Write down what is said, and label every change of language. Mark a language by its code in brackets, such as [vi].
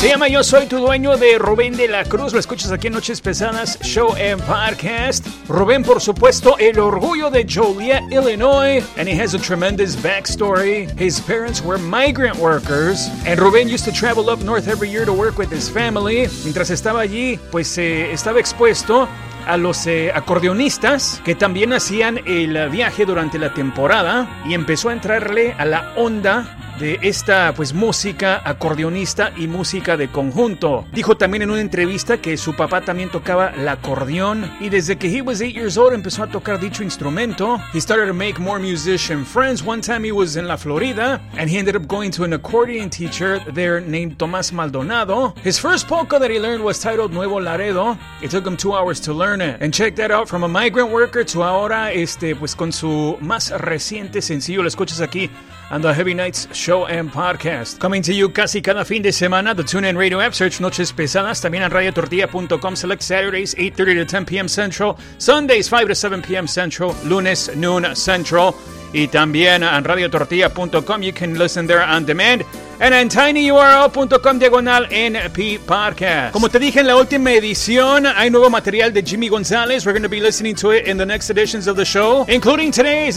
[es] Yo soy tu dueño de Rubén de la Cruz. Lo escuchas aquí en Noches Pesadas Show and Podcast. Rubén, por supuesto, el orgullo de Joliet, Illinois. [en] And he has a tremendous backstory. His parents were migrant workers. And Rubén used to travel up north every year to work with his family. [es] Mientras estaba allí, pues estaba expuesto a los acordeonistas que también hacían el viaje durante la temporada. Y empezó a entrarle a la onda de esta pues música acordeonista y música de conjunto. Dijo también en una entrevista que su papá también tocaba el acordeón y desde que [en] he was 8 years old [es] empezó a tocar dicho instrumento. [en] He started to make more musician friends. One time he was in La Florida and he ended up going to an accordion teacher there named Tomás Maldonado. His first polka that he learned was titled Nuevo Laredo. It took him 2 hours to learn it. And check that out, from a migrant worker to [es] ahora pues con su más reciente sencillo. Lo escuchas aquí on the Heavy Nights Show and Podcast. [en] Coming to you [es] casi cada fin de semana, [en] the TuneIn Radio app, search Noches Pesadas, [es] también en [en] RadioTortilla.com, select Saturdays, 8:30 to 10 p.m. Central, Sundays, 5 to 7 p.m. Central, [es] lunes, [en] noon, Central. [es] y también en [en] radiotortilla.com. You can listen there on demand. And en tinyurl.com/NP podcast. [es] Como te dije en la última edición, hay nuevo material de Jimmy González. [en] We're going to be listening to it in the next editions of the show, including today's.